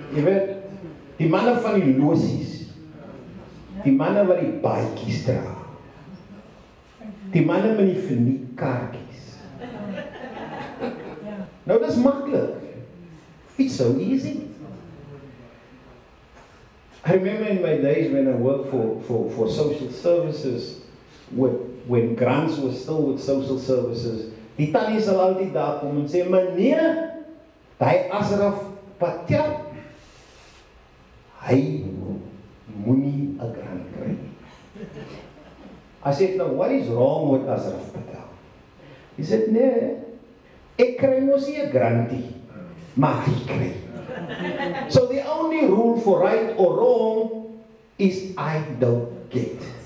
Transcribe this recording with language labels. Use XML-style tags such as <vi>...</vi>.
<af>Jy weet, die manne van die losies, die manne wat die paadjies dra. Die manne met die verniet kaartjes. Nou, dis makkelijk.</af> <en>It's so easy. I remember in my days when I worked for social services, when grants were still with social services,</en> <af>die tannies sal altyd daar kom en sê, meneer, Hy Ashraf Patel, hy moenie 'n grant kry.</af> <en>I said, now what is wrong with Ashraf Patel? He said,</en> <af>nee, ek kry mos nie 'n grantie, maar hy kry.</af> <en>So the only rule for right or wrong is I don't get.</en>